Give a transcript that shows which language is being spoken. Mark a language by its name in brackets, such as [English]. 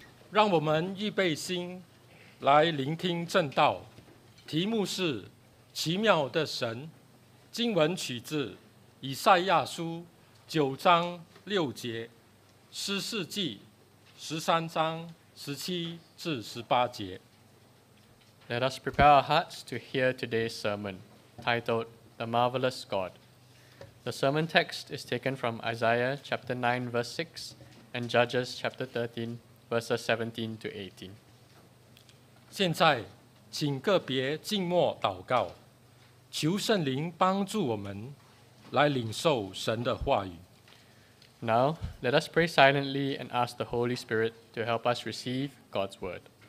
[Chinese] 让我们预备心来聆听正道。题目是《奇妙的神》，经文取自以赛亚书九章六节，诗事记十三章十七至十八节。 [English] Let us prepare our hearts to hear today's sermon, titled The Marvelous God. The sermon text is taken from Isaiah chapter 9, verse 6, and Judges chapter 13, verses 17 to 18. [Chinese] 现在，请个别静默祷告，求圣灵帮助我们来领受神的话语。 [English] Now, let us pray silently and ask the Holy Spirit to help us receive God's word.